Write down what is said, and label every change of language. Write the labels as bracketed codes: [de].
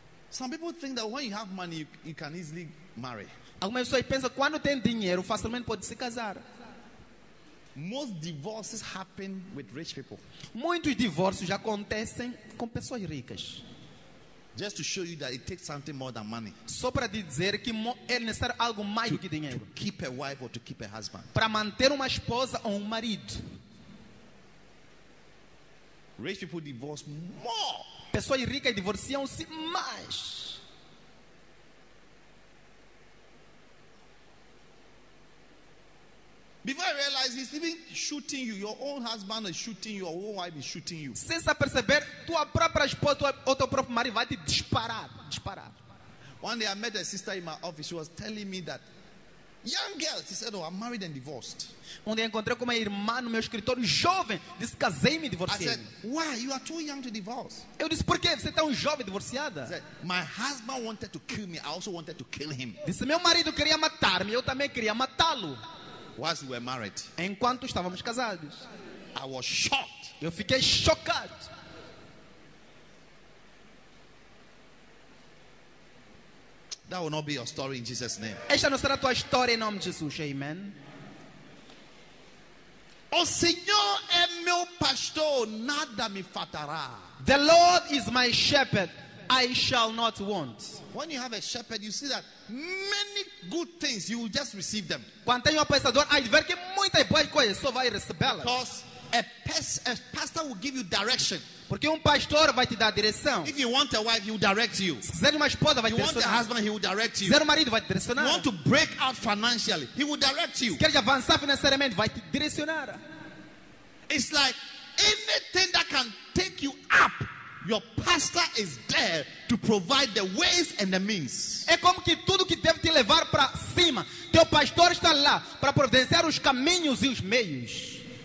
[en] Some people think that when you have money, you can easily marry. [pt] Algumas pessoas pensam que quando tem dinheiro, facilmente pode se casar. [en] Most divorces happen with rich people. [pt] Muitos divórcios acontecem com pessoas ricas. [en] Just to show you that it takes something more than money. [pt] Só para dizer que é necessário algo mais do que dinheiro. [en] To keep a wife or to keep a husband. [pt] Para manter uma esposa ou marido. [en] Rich people divorce more. [pt] Pessoas ricas divorciam-se mais. [en] Before I realize he's even shooting you, your own husband is shooting you, your own wife is shooting you. [pt] Sem se aperceber, tua própria esposa ou teu próprio marido vai te disparar. [en] One day I met a sister in my office. She was telling me that young girl, she said, oh, I'm married and divorced. [pt] Onde encontrei com uma irmã no meu escritório jovem, disse, casei-me e divorciei. [en] I said, why? You are too young to divorce. [pt] Eu disse, por que? Você é tão jovem, divorciada. [en] I said, my husband wanted to kill me, I also wanted to kill him. [pt] Disse, meu marido queria matar-me, eu também queria matá-lo. [en] Whilst we were married. [pt] Enquanto estávamos casados. [en] I was shocked. [pt] Eu fiquei chocado. [en] That will not be your story in Jesus' name. [pt] Esta não será tua história em nome de Jesus. [en] Amen. [pt] O Senhor é meu pastor, nada me faltará. [en] The Lord is my shepherd, I shall not want. When you have a shepherd, you see that many good things you will just receive them. [pt] Quando tem um apacentador, aí ver que muitas boas coisas só vai recebê-las. [en] Because a pastor will give you direction. [pt] Porque pastor vai te dar direção. [en] If you want a wife, he will direct you. [pt] Se quiser uma esposa, vai [en] you [pt] direcionar. [en] Want a husband, he will direct you. [pt] Se quiser marido, vai direcionar. [en] You want to break out financially, he will direct you. [pt] Se quer avançar financeiramente, vai te direcionar. [en] It's like anything that can take you up, your pastor is there to provide the ways and the means. [pt] É como que tudo que deve te levar para cima, teu pastor está lá para providenciar os caminhos e os meios.